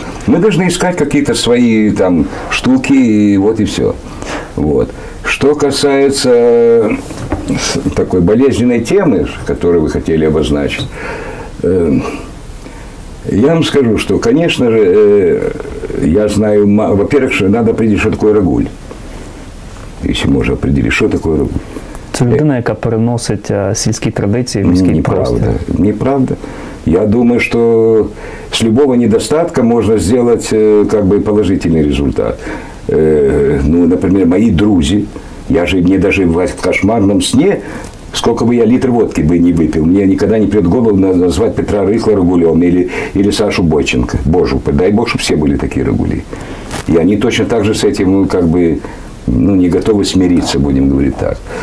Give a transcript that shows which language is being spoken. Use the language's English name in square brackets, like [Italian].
[Russian] Мы должны искать какие-то свои там штуки, и все. Вот. Что касается такой болезненной темы, которую вы хотели обозначить, я вам скажу, что, конечно же, я знаю, во-первых, что надо определить, что такое рагуль. [Ukrainian] якщо можна определити, що таке? Це людина, яка переносить сільські традиції в міський простір. Неправда. Я думаю, що з любого недостатка можна зробити как бы, положительний результат. Ну, наприклад, мої друзі, я же не дожив в кошмарному сні, [Russian] сколько бы я литр водки бы не выпил, мне никогда не придет в голову назвать Петра Рыхла Рогулем или Сашу Бойченко. Боже, дай Бог, чтобы все были такие Рогули. И они точно так же с этим как бы ну, не готовы смириться, будем говорить так.